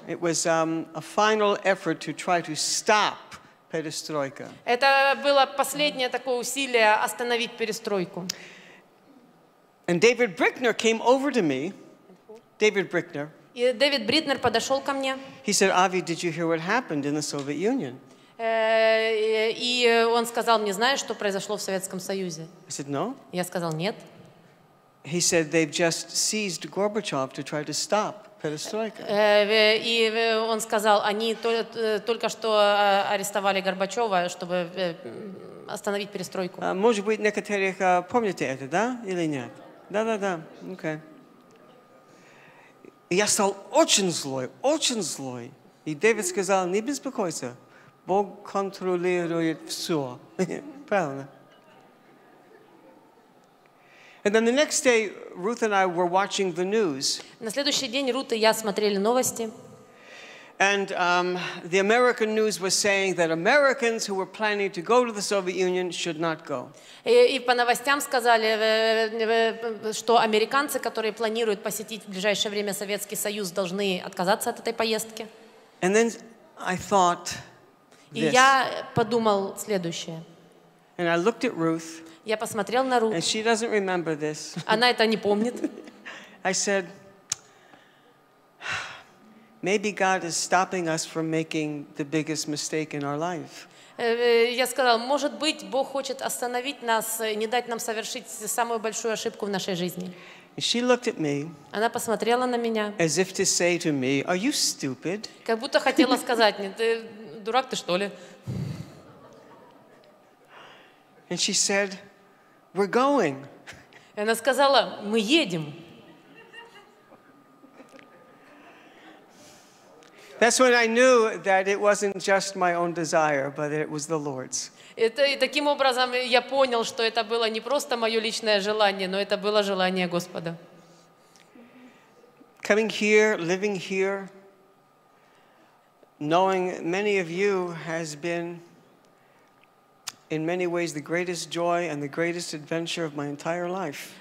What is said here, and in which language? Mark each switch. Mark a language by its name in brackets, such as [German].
[English] It was a final effort to try to stop. [Russian] Это было последнее такое усилие остановить перестройку. [English] And David Brickner came over to me. David Brickner. [Russian] И Дэвид Брикнер подошел ко мне. [English] He said, "Avi, did you hear what happened in the Soviet Union?" [Russian] И он сказал мне, знаешь, что произошло в Советском Союзе? [English] I said, "No." [Russian] Я сказал, нет. [English] He said, "They've just seized Gorbachev to try to stop." [Russian] И он сказал, они только что арестовали Горбачева, чтобы остановить перестройку. Может быть, некоторые помните это, да, или нет? Да, окей. Я стал очень злой. И Дэвид сказал, не беспокойся, Бог контролирует все. Правильно. [English] And then the next day, Ruth and I were watching the news. [Russian] На следующий день Рут и я смотрели новости. [English] And the American news was saying that Americans who were planning to go to the Soviet Union should not go. [Russian] И по новостям сказали, что американцы, которые планируют посетить в ближайшее время Советский Союз, должны отказаться от этой поездки. [English] And then I thought this. [Russian] И я подумал следующее. [English] And I looked at Ruth. [Russian] Я посмотрел на Рут. [English] And she doesn't remember this. [Russian] Она это не помнит. [English] I said, maybe God is stopping us from making the biggest mistake in our life. [Russian] Я сказал, может быть, Бог хочет остановить нас, не дать нам совершить самую большую ошибку в нашей жизни. [English] She looked at me. [Russian] Она посмотрела на меня. [English] As if to say to me, are you stupid? [Russian] Как будто хотела сказать мне, ты дурак ты что ли? [English] And she said, we're going. [Russian] Она сказала, мы едем. [English] That's when I knew that it wasn't just my own desire, but it was the Lord's. [Russian] Это таким образом я понял, что это было не просто моё личное желание, но это было желание Господа. [English] Coming here, living here, knowing many of you has been in many ways the greatest joy and the greatest adventure of my entire life.